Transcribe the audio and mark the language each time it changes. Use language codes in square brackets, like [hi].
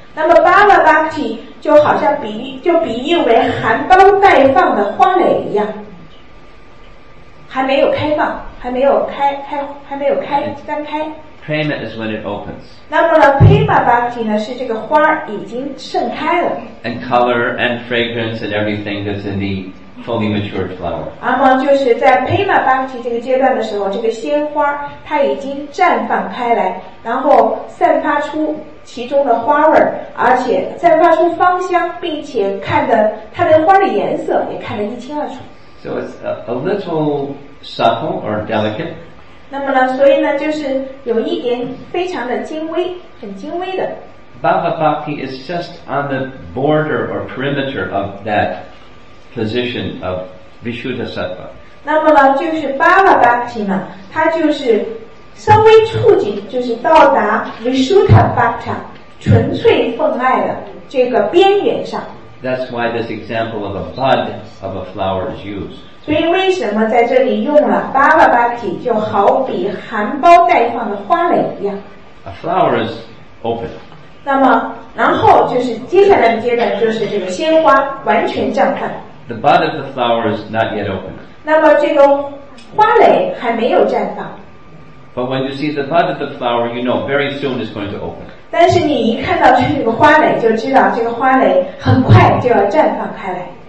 [zh] 那么 Bhava Bhakti 就比喻为含苞待放的花蕾一样，还没有开放，还没有开单开。 [en] Prema is when it opens. [zh] 那么呢 ，Prema Bhakti 呢是这个花已经盛开了。 [en] And color and fragrance and everything that's in the fully matured flower. [zh] 那么就是在 Prema Bhakti 这个阶段的时候，这个鲜花它已经绽放开来，然后散发出其中的花味，而且散发出芳香，并且看得它的花的颜色也看得一清二楚。 [en] So it's a little subtle or delicate. [zh] 那么呢，所以呢，就是有一点非常的精微，很精微的。 [en] Bhava Bhakti is just on the border or perimeter of that. Position of Vishuddha Sattva. [zh] 那么呢，就是 Bhava Bhakti 呢，它就是稍微触及，就是到达 Vishuddha Bhakti 纯粹奉爱的这个边缘上。 [en] That's why this example of a bud of a flower is used. [zh] 所以为什么在这里用了 Bhava Bhakti 就好比含苞待放的花蕾一样。 [en] A flower is open. [zh] 那么，然后就是接下来的阶段，就是这个鲜花完全绽放。 [en] The bud of the flower is not yet open. [zh] 那么这个花蕾还没有绽放。 [en] But when you see the bud of the flower, you know very soon it's going to open. [zh] 但是你一看到这个花蕾，就知道这个花蕾很快就要绽放开来。